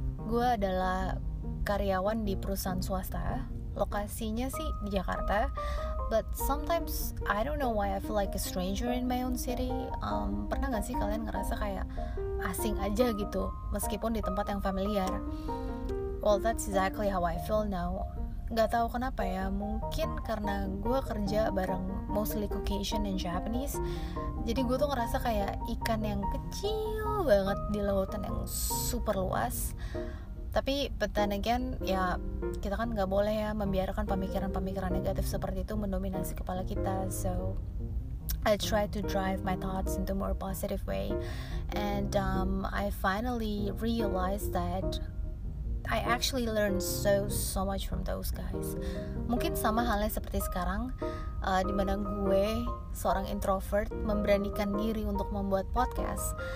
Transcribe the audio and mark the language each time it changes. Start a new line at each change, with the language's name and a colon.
Indonesian: Gue adalah karyawan di perusahaan swasta, lokasinya sih di Jakarta.
English: But sometimes I don't know why I feel like a stranger in my own city.
Indonesian: Pernah gak sih kalian ngerasa kayak asing aja gitu, meskipun di tempat yang familiar?
English: Well, that's exactly how I feel now.
Indonesian: Gak tahu kenapa ya, mungkin karena gue kerja bareng
English: mostly Caucasian and Japanese.
Indonesian: Jadi gue tuh ngerasa kayak ikan yang kecil banget di lautan yang super luas. Tapi
English: but then again,
Indonesian: ya kita kan gak boleh ya membiarkan pemikiran-pemikiran negatif seperti itu mendominasi kepala kita.
English: So I try to drive my thoughts into more positive way. And I finally realized that I actually learned so much from those guys.
Indonesian: Mungkin sama halnya seperti sekarang, dimana gue seorang introvert memberanikan diri untuk membuat podcast.